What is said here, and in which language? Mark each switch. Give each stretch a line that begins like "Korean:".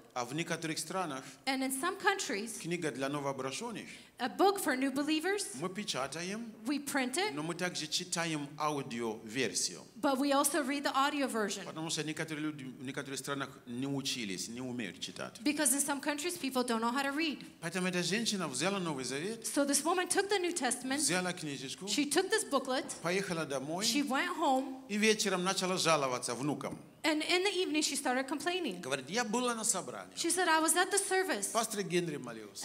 Russian: А в некоторых странах.
English: And in some countries.
Russian: Книга для новообращенных.
English: A book for new believers.
Russian: Мы печатаем.
English: We print it.
Russian: Но мы также читаем аудио версию.
English: But we also read the audio version.
Russian: Потому что некоторые люди в некоторых странах не учились, не умеют читать.
English: Because in some countries people don't know how to read.
Russian: Поэтому эта женщина взяла Новый Завет.
English: So this woman took the New Testament.
Russian: Взяла книжечку.
English: She took this booklet.
Russian: Поехала домой.
English: She went home.
Russian: И вечером начала жаловаться внукам.
English: And in the evening she started complaining.
Russian: Говорит, я была на собрании.
English: She said, I was at the service.
Russian: Пастор Генри молился.